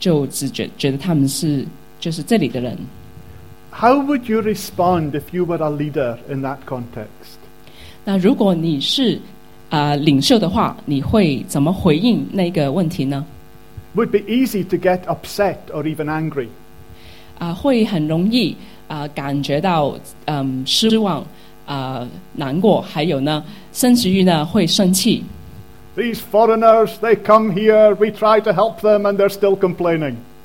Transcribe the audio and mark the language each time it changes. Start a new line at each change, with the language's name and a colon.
Chinese: 那我们看到美丽的图画，就是我们一起坐在一起敬拜神，可是我们也看到一个难处，就是说，外地人就感觉他们是外人，然后，在本地的人就只觉得他们是，就是这里的人。
English: How would you respond if you were a leader in that context?
Chinese: 那如果你是领袖的话，你会怎么回应那个问题呢？
English: Would be easy to get upset or even angry.
Chinese: 会很容易感觉到失望，难过，还有呢，甚至于呢会生气。
English: These foreigners, they come here, we try to help them, and they're still complaining.